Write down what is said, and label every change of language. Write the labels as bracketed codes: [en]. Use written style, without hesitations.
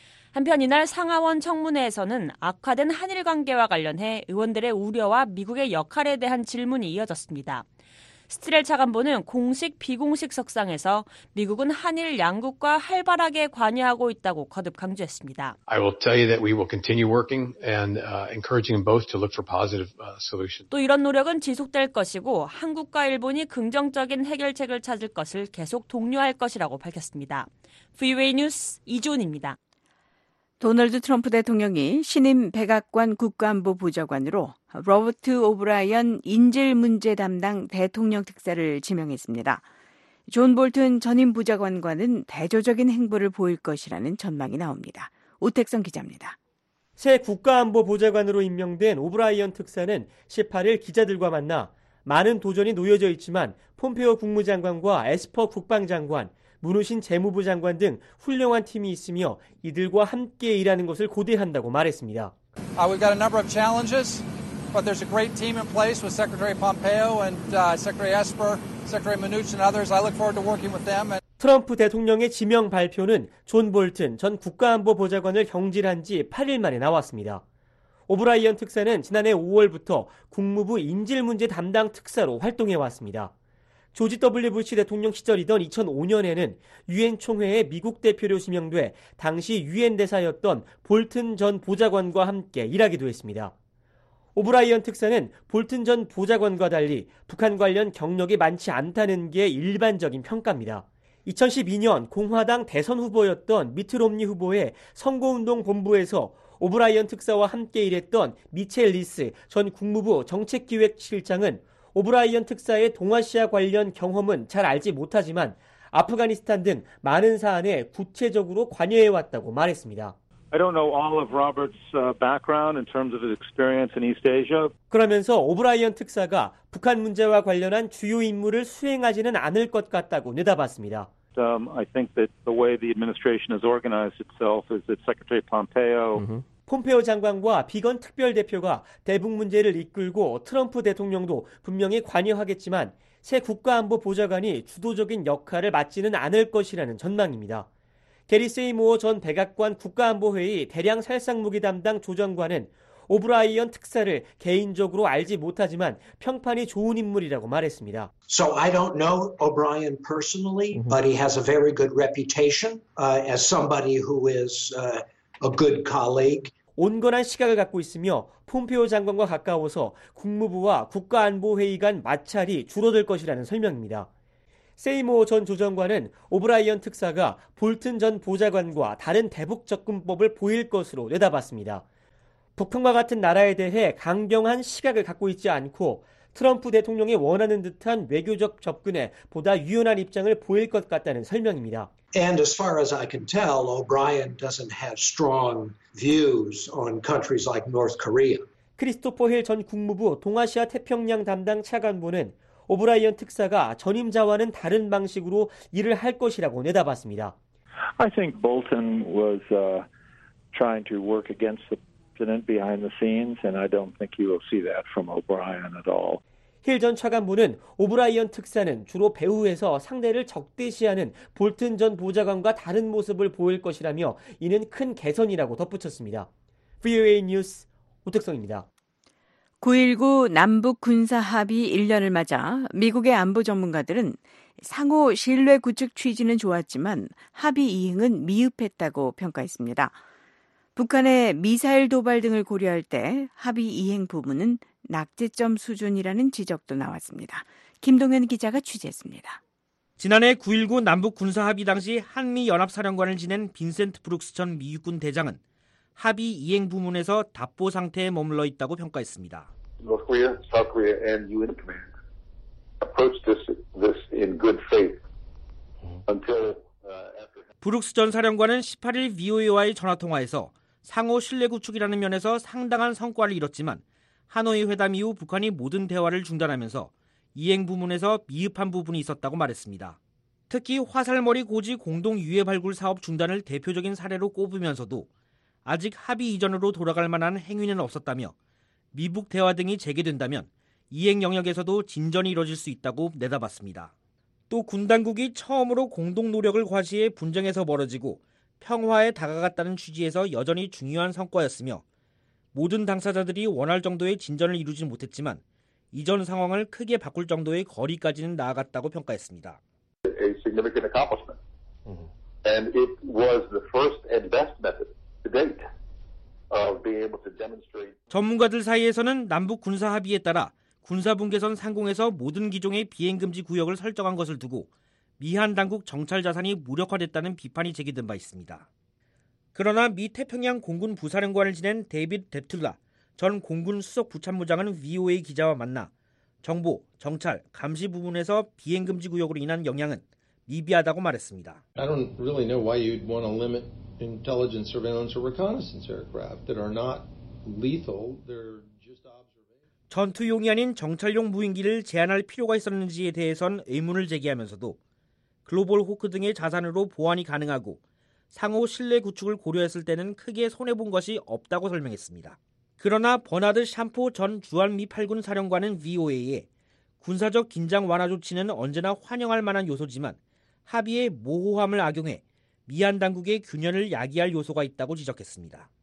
[ko] 한편 이날 상하원 청문회에서는 악화된 한일 관계와 관련해 의원들의 우려와 미국의 역할에 대한 질문이 이어졌습니다. 스트렐 차관보는 공식 비공식 석상에서 미국은 한일 양국과 활발하게 관여하고 있다고 거듭 강조했습니다. [en] I will tell you that we will continue working and encouraging them both to look for positive solutions. [ko] 또 이런 노력은 지속될 것이고 한국과 일본이 긍정적인 해결책을 찾을 것을 계속 독려할 것이라고 밝혔습니다. VOA 뉴스 이준입니다. 도널드 트럼프 대통령이 신임 백악관 국가안보 보좌관으로 로버트 오브라이언 인질 문제 담당 대통령 특사를 지명했습니다. 존 볼튼 전임 보좌관과는 대조적인 행보를 보일 것이라는 전망이 나옵니다. 오택성 기자입니다. 새 국가안보 보좌관으로 임명된 오브라이언 특사는 18일 기자들과 만나 많은 도전이 놓여져 있지만 폼페오 국무장관과 에스퍼 국방장관, 문우신 재무부 장관 등 훌륭한 팀이 있으며 이들과 함께 일하는 것을 고대한다고 말했습니다. [en] We've got a number of challenges, but there's a great team in place with Secretary Pompeo and Secretary Esper, Secretary Mnuchin and others. I look forward to working with them. [ko] 트럼프 대통령의 지명 발표는 존 볼튼 전 국가안보 보좌관을 경질한 지 8일 만에 나왔습니다. 오브라이언 특사는 지난해 5월부터 국무부 인질 문제 담당 특사로 활동해 왔습니다. 조지 W. 부시 대통령 시절이던 2005년에는 유엔 총회에 미국 대표로 지명돼 당시 유엔 대사였던 볼튼 전 보좌관과 함께 일하기도 했습니다. 오브라이언 특사는 볼튼 전 보좌관과 달리 북한 관련 경력이 많지 않다는 게 일반적인 평가입니다. 2012년 공화당 대선 후보였던 미트 롬니 후보의 선거운동 본부에서 오브라이언 특사와 함께 일했던 미첼 리스 전 국무부 정책기획실장은 오브라이언 특사의 동아시아 관련 경험은 잘 알지 못하지만 아프가니스탄 등 많은 사안에 구체적으로 관여해왔다고 말했습니다. [en] I don't know all of Robert's background in terms of his experience in East Asia. [ko] 그러면서 오브라이언 특사가 북한 문제와 관련한 주요 임무를 수행하지는 않을 것 같다고 내다봤습니다. [en] I think that the way the administration has organized itself is that Secretary Pompeo [ko] 폼페오 장관과 비건 특별대표가 대북 문제를 이끌고 트럼프 대통령도 분명히 관여하겠지만 새 국가안보 보좌관이 주도적인 역할을 맡지는 않을 것이라는 전망입니다. 게리 세이모어 전 백악관 국가안보회의 대량 살상무기 담당 조정관은 오브라이언 특사를 개인적으로 알지 못하지만 평판이 좋은 인물이라고 말했습니다. [en] So I don't know O'Brien personally, but he has a very good reputation as somebody who is a good colleague. [ko] 온건한 시각을 갖고 있으며 폼페오 장관과 가까워서 국무부와 국가안보회의 간 마찰이 줄어들 것이라는 설명입니다. 세이모어 전 조정관은 오브라이언 특사가 볼튼 전 보좌관과 다른 대북 접근법을 보일 것으로 내다봤습니다. 북한과 같은 나라에 대해 강경한 시각을 갖고 있지 않고 트럼프 대통령이 원하는 듯한 외교적 접근에 보다 유연한 입장을 보일 것 같다는 설명입니다. [en] And as far as I can tell, O'Brien doesn't have strong views on countries like North Korea. [ko] 크리스토퍼 힐 전 국무부 동아시아 태평양 담당 차관보는 오브라이언 특사가 전임자와는 다른 방식으로 일을 할 것이라고 내다봤습니다. [en] I think Bolton was trying to work against the president behind the scenes, and I don't think you will see that from O'Brien at all. [ko] 힐 전 차관보는 오브라이언 특사는 주로 배후에서 상대를 적대시하는 볼튼 전 보좌관과 다른 모습을 보일 것이라며 이는 큰 개선이라고 덧붙였습니다. VOA 뉴스 오택성입니다. 9.19 남북 군사 합의 1년을 맞아 미국의 안보 전문가들은 상호 신뢰 구축 취지는 좋았지만 합의 이행은 미흡했다고 평가했습니다. 북한의 미사일 도발 등을 고려할 때 합의 이행 부분은 낙제점 수준이라는 지적도 나왔습니다. 김동현 기자가 취재했습니다. 지난해 9.19 남북 군사 합의 당시 한미연합사령관을 지낸 빈센트 브룩스 전 미육군 대장은 합의 이행 부문에서 답보 상태에 머물러 있다고 평가했습니다. [en] North Korea, South Korea and UN command approach this in good faith until [ko] 브룩스 전 사령관은 18일 VOA와의 전화통화에서 상호 신뢰 구축이라는 면에서 상당한 성과를 이뤘지만 하노이 회담 이후 북한이 모든 대화를 중단하면서 이행 부문에서 미흡한 부분이 있었다고 말했습니다. 특히 화살머리 고지 공동 유해 발굴 사업 중단을 대표적인 사례로 꼽으면서도 아직 합의 이전으로 돌아갈 만한 행위는 없었다며 미북 대화 등이 재개된다면 이행 영역에서도 진전이 이뤄질 수 있다고 내다봤습니다. 또 군 당국이 처음으로 공동 노력을 과시해 분쟁에서 멀어지고 평화에 다가갔다는 취지에서 여전히 중요한 성과였으며 모든 당사자들이 원할 정도의 진전을 이루지 못했지만 이전 상황을 크게 바꿀 정도의 거리까지는 나아갔다고 평가했습니다. [en] A significant accomplishment. And it was the first and best method to date of being able to demonstrate. [ko] 전문가들 사이에서는 남북 군사 합의에 따라 군사분계선 상공에서 모든 기종의 비행금지 구역을 설정한 것을 두고 미한 당국 정찰 자산이 무력화됐다는 비판이 제기된 바 있습니다. 그러나 미 태평양 공군 부사령관을 지낸 데이비드 데툴라 전 공군 수석 부참무장은 VOA 기자와 만나 정보, 정찰, 감시 부분에서 비행금지 구역으로 인한 영향은 미비하다고 말했습니다. [en] I don't really know why you'd want to limit intelligence, surveillance, or reconnaissance aircraft that are not lethal. They're just observation. [ko] 전투용이 아닌 정찰용 무인기를 제한할 필요가 있었는지에 대해선 의문을 제기하면서도 글로벌 호크 등의 자산으로 보완이 가능하고 상호 신뢰 구축을 고려했을 때는 크게 손해본 것이 없다고 설명했습니다. 그러나 버나드 샴포 전 주한미 8군 사령관은 VOA에 군사적 긴장 완화 조치는 언제나 환영할 만한 요소지만 합의의 모호함을 악용해 미한 당국의 균열을 야기할 요소가 있다고 지적했습니다.